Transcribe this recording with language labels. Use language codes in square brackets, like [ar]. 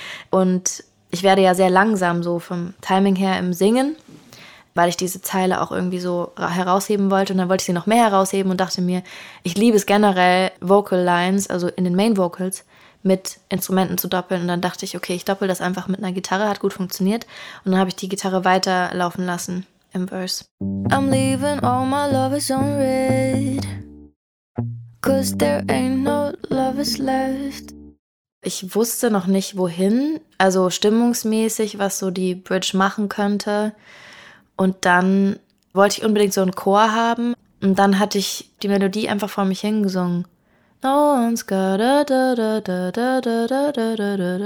[de] Und ich werde ja sehr langsam so vom Timing her im Singen, weil ich diese Zeile auch irgendwie so herausheben wollte. Und dann wollte ich sie noch mehr herausheben und dachte mir, ich liebe es generell, Vocal Lines, also in den Main Vocals, mit Instrumenten zu doppeln. Und dann dachte ich, okay, ich doppel das einfach mit einer Gitarre, hat gut funktioniert. Und dann habe ich die Gitarre weiterlaufen lassen im Verse. [en] I'm leaving all my lovers on red, 'cause there ain't no lovers left. [de] Ich wusste noch nicht, wohin, also stimmungsmäßig, was so die Bridge machen könnte. Und dann wollte ich unbedingt so einen Chor haben. Und dann hatte ich die Melodie einfach vor mich hingesungen. [en] No one's got a da da da da da da da da da da.